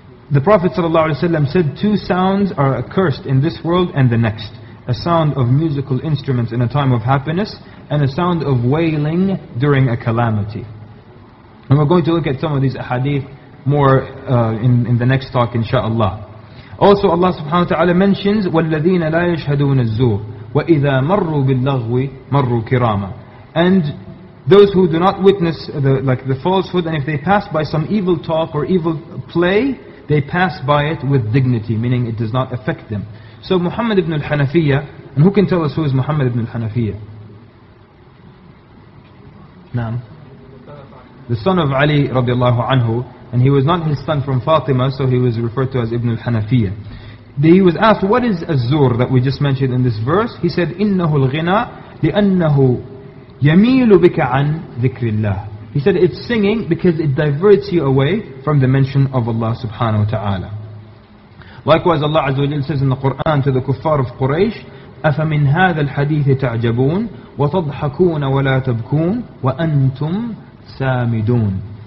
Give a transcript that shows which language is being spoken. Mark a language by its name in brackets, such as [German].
[English] The Prophet ﷺ said, two sounds are accursed in this world and the next. A sound of musical instruments in a time of happiness, and a sound of wailing during a calamity. And we're going to look at some of these ahadith more in the next talk, inshaAllah. Also, Allah subhanahu wa ta'ala mentions, [Arabic] وَالَّذِينَ لَا يَشْهَدُونَ الزُّورِ وَإِذَا مَرُّوا بِاللَّغْوِ مَرُّوا كِرَامًا. [English] And those who do not witness the falsehood, and if they pass by some evil talk or evil play, they pass by it with dignity, meaning it does not affect them. So Muhammad ibn al-Hanafiyya, and who can tell us who is Muhammad ibn al-Hanafiyya? Naam. The son of Ali radiallahu anhu, and he was not his son from Fatima, so he was referred to as ibn al-Hanafiyya. He was asked, what is الزور that we just mentioned in this verse? He said, [Arabic] إِنَّهُ الْغِنَى لِأَنَّهُ يَمِيلُ بِكَ عَنْ ذِكْرِ اللَّهِ. [English] He said, it's singing because it diverts you away from the mention of Allah subhanahu wa ta'ala. Likewise, Allah Azza wa Jalla says in the Quran to the kuffar of Quraysh, [Arabic] أَفَمِنْ هَذَا الْحَدِيثِ تَعْجَبُونَ وَتَضْحَكُونَ وَلَا تَبْكُونَ وَأَنْتُمْ سَامِدُونَ.